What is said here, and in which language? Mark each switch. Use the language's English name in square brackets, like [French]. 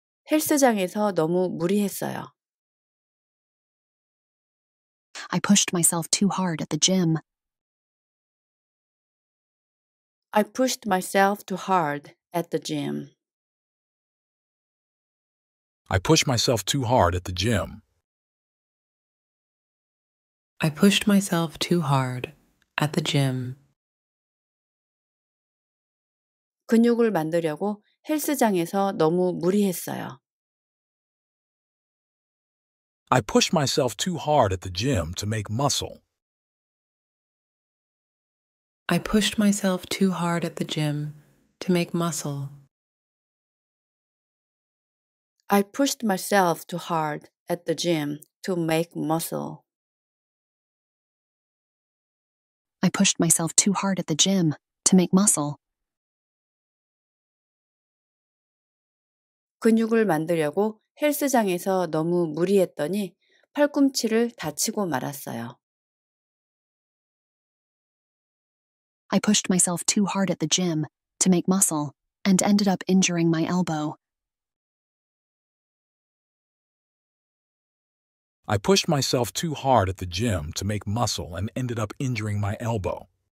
[Korean] 헬스장에서 너무 무리했어요. [English] I pushed myself too hard at the gym. I pushed myself too hard at the gym. I pushed myself too hard at the gym. I pushed myself too hard at the gym. [Korean] 근육을 만들려고 헬스장에서 너무 무리했어요. [English] I pushed myself too hard at the gym to make muscle. I pushed myself too hard at the gym to make muscle. I pushed myself too hard at the gym to make muscle. I pushed myself too hard at the gym to make muscle. [Korean] 근육을 만들려고 헬스장에서 너무 무리했더니 팔꿈치를 다치고 말았어요. [English] I pushed myself too hard at the gym to make muscle and ended up injuring my elbow. I pushed myself too hard at the gym to make muscle and ended up injuring my elbow.